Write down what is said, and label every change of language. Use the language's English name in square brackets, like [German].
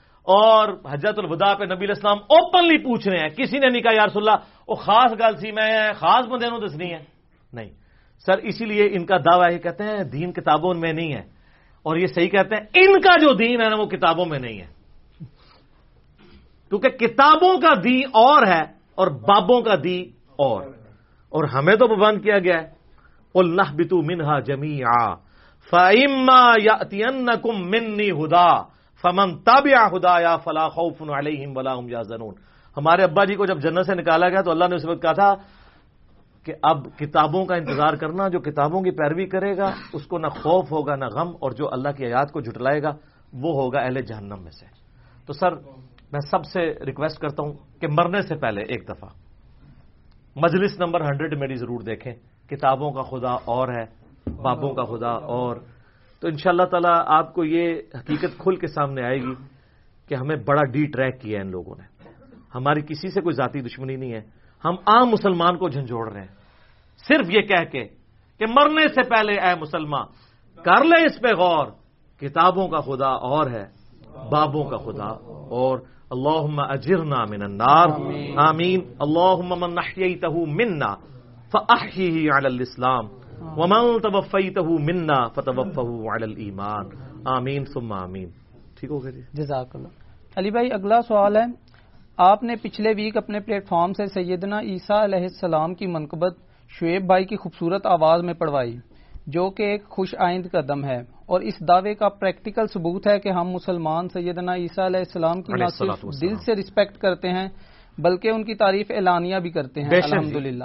[Urdu] اور حجت الوداع پہ نبی علیہ السلام اوپنلی پوچھ رہے ہیں، کسی نے نہیں کہا یا رسول اللہ [Punjabi] وہ خاص گل سی، میں خاص بندے نو دسنی ہے، [Urdu] نہیں سر. اسی لیے ان کا دعویٰ ہے، کہتے ہیں دین کتابوں میں نہیں ہے، اور یہ صحیح کہتے ہیں، ان کا جو دین ہے نا وہ کتابوں میں نہیں ہے. کیونکہ کتابوں کا دین اور ہے اور بابوں کا دین اور ہمیں تو پابند کیا گیا ہے. [Arabic] قل نحبتوا منها جميعا فإما يأتينكم مني هدى فمن تبع هدايا فلا خوف عليهم ولا هم يحزنون. [Urdu] ہمارے ابا جی کو جب جنت سے نکالا گیا تو اللہ نے اس وقت کہا تھا کہ اب کتابوں کا انتظار کرنا، جو کتابوں کی پیروی کرے گا اس کو نہ خوف ہوگا نہ غم، اور جو اللہ کی آیات کو جھٹلائے گا وہ ہوگا اہل جہنم میں سے. تو سر میں سب سے ریکویسٹ کرتا ہوں کہ مرنے سے پہلے ایک دفعہ مجلس نمبر 100 میری ضرور دیکھیں، کتابوں کا خدا اور ہے، بابوں کا خدا اور. تو ان شاء اللہ تعالیٰ آپ کو یہ حقیقت کھل کے سامنے آئے گی کہ ہمیں بڑا ڈی ٹریک کیا ہے ان لوگوں نے، ہماری کسی سے کوئی ذاتی دشمنی نہیں ہے، ہم عام مسلمان کو جھنجھوڑ رہے ہیں صرف یہ کہہ کے مرنے سے پہلے اے مسلمان کر لے اس پہ غور، کتابوں کا خدا اور ہے، بابوں کا خدا اور. [Arabic] اللهم اجرنا من النار، آمین. اللهم من احييته منا فاحيه على الاسلام، ومن توفيته منا فتوفه على الايمان. [Urdu] آمین ثم آمین. ٹھیک ہو گیا جی, جزاک اللہ. علی بھائی اگلا سوال ہے, آپ نے پچھلے ویک اپنے پلیٹ فارم سے سیدنا عیسیٰ علیہ السلام کی منقبت شعیب بھائی کی خوبصورت آواز میں پڑھوائی, جو کہ ایک خوش آئند قدم ہے اور اس دعوے کا پریکٹیکل ثبوت ہے کہ ہم مسلمان سیدنا عیسیٰ علیہ السلام کی نہ صرف دل سے رسپیکٹ کرتے ہیں بلکہ ان کی تعریف اعلانیہ بھی کرتے ہیں الحمدللہ.